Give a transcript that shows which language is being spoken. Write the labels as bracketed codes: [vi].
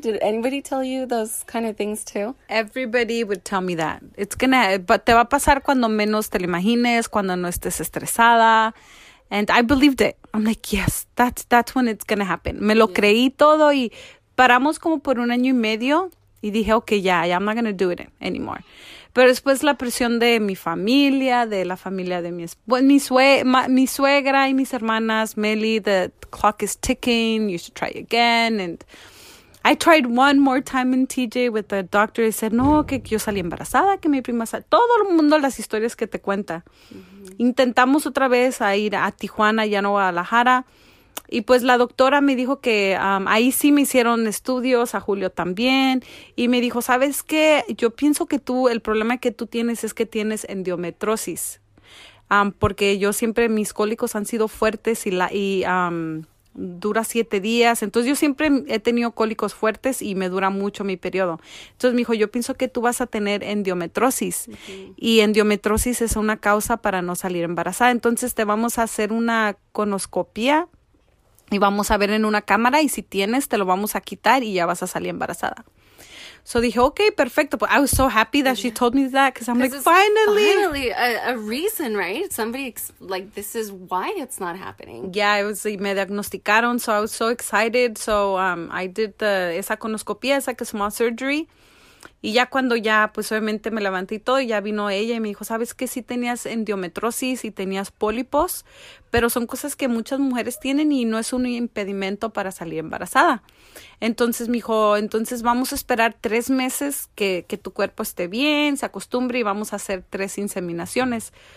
[en] Did anybody tell you those kind of things too? Everybody would tell me that. It's gonna, but [es] te va a pasar cuando menos te lo imagines, cuando no estés estresada. [en] And I believed it. I'm like, yes, that's when it's going to happen. [es] Me lo creí todo y paramos como por un año y medio. Y dije, [en] okay, yeah, I'm not going to do it anymore. [es] Pero después la presión de mi familia, de la familia de mi suegra y mis hermanas, Meli, [en] the clock is ticking, you should try again. And I tried one more time in TJ with the doctor. He said, [es] no, que yo salí embarazada, que mi prima salió. Todo el mundo, las historias que te cuenta. Mm-hmm. Intentamos otra vez a ir a Tijuana, ya no a Guadalajara. Y pues la doctora me dijo que ahí sí me hicieron estudios, a Julio también. Y me dijo, ¿sabes qué? Yo pienso que tú, el problema que tú tienes es que tienes endometriosis. Porque yo siempre, mis cólicos han sido fuertes y dura 7 días. Entonces yo siempre he tenido cólicos fuertes y me dura mucho mi periodo. Entonces me dijo, yo pienso que tú vas a tener endometriosis. Uh-huh. Y endometriosis es una causa para no salir embarazada. Entonces te vamos a hacer una colonoscopia. Y vamos a ver en una cámara y si tienes, te lo vamos a quitar y ya vas a salir embarazada. So dije, okay, perfecto. [en] But I was so happy that she told me that because I'm like, finally. Finally a reason, right? Somebody, like, this is why it's not happening. Yeah, it was, [es] me diagnosticaron, [en] so I was so excited. So I did [es] esa colonoscopia, [en] it's like a small surgery. [es] Y ya cuando ya, pues obviamente me levanté y todo, ya vino ella y me dijo, ¿sabes qué? Sí tenías endometriosis y tenías pólipos, pero son cosas que muchas mujeres tienen y no es un impedimento para salir embarazada. Entonces me dijo, entonces vamos a esperar 3 meses que tu cuerpo esté bien, se acostumbre y vamos a hacer 3 inseminaciones.